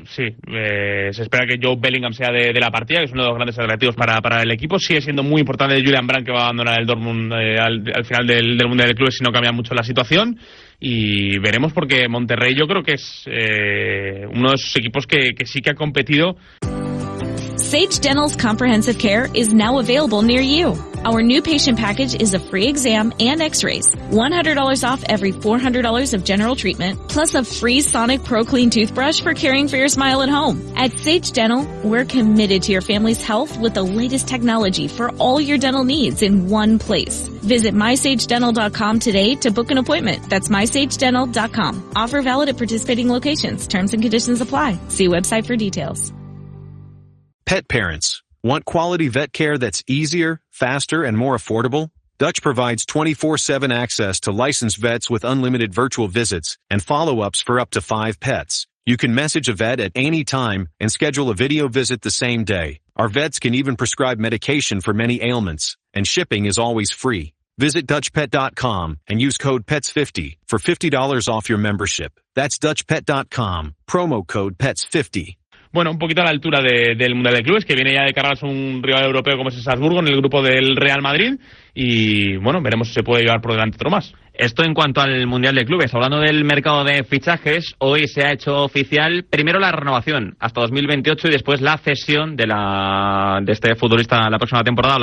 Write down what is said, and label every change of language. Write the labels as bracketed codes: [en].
[es] Sí, se espera que Joe Bellingham sea de la partida, que es uno de los grandes atractivos para el equipo. Sigue siendo muy importante Julian Brandt, que va a abandonar el Dortmund al final del Mundial de Clubes si no cambia mucho la situación. Y veremos, porque Monterrey yo creo que es uno de esos equipos que sí que ha competido. [en] Sage Dental's comprehensive care is now available near you. Our new patient package is a free exam and x-rays, $100 off every $400 of general treatment, plus a free Sonic Pro Clean toothbrush for caring for your smile at home. At Sage Dental, we're committed to your family's health with the latest technology for all your dental needs in one place. Visit MySageDental.com today to book an appointment. That's MySageDental.com. Offer valid at participating locations. Terms and conditions apply. See website for details. Pet parents want quality vet care that's easier, faster, and more affordable? Dutch provides 24/7 access to licensed vets with unlimited virtual visits and follow-ups for up to 5 pets. You can message a vet at any time and schedule a video visit the same day. Our vets can even prescribe medication for many ailments, and shipping is always free. Visit DutchPet.com and use code PETS50 for $50 off your membership. That's DutchPet.com, promo code PETS50. [es] Bueno, un poquito a la altura del Mundial de Clubes, que viene ya de cargas un rival europeo como es Salzburgo en el grupo del Real Madrid, y bueno, veremos si se puede llevar por delante otro más. Esto en cuanto al Mundial de Clubes. Hablando del mercado de fichajes, hoy se ha hecho oficial primero la renovación hasta 2028 y después la cesión de este futbolista la próxima temporada.